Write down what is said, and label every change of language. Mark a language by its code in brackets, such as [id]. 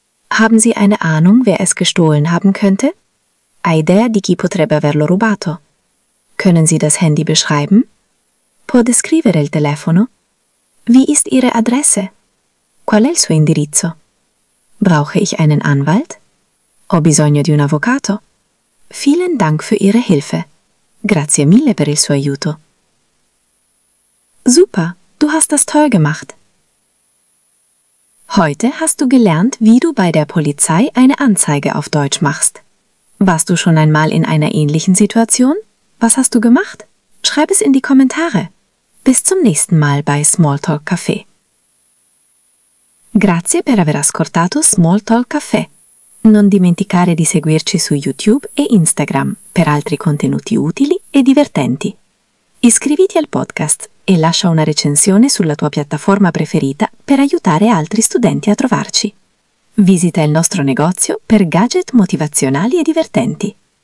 [de] Haben Sie eine Ahnung, wer es gestohlen haben könnte? [it] Hai idea di chi potrebbe averlo rubato? [de] Können Sie das Handy beschreiben? [it] Può descrivere il telefono? [de] Wie ist Ihre Adresse? [it] Qual è il suo indirizzo? [de] Brauche ich einen Anwalt? [it] Ho bisogno di un avvocato. [de] Vielen Dank für Ihre Hilfe. [it] Grazie mille per il suo aiuto. [de] Super, du hast das toll gemacht. Heute hast du gelernt, wie du bei der Polizei eine Anzeige auf Deutsch machst. Warst du schon einmal in einer ähnlichen Situation? Was hast du gemacht? Schreib es in die Kommentare. Bis zum nächsten Mal bei Smalltalk Café. [it] Grazie per aver ascoltato Smalltalk Café. Non dimenticare di seguirci su YouTube e Instagram per altri contenuti utili e divertenti. Iscriviti al podcast e lascia una recensione sulla tua piattaforma preferita per aiutare altri studenti a trovarci. Visita il nostro negozio per gadget motivazionali e divertenti.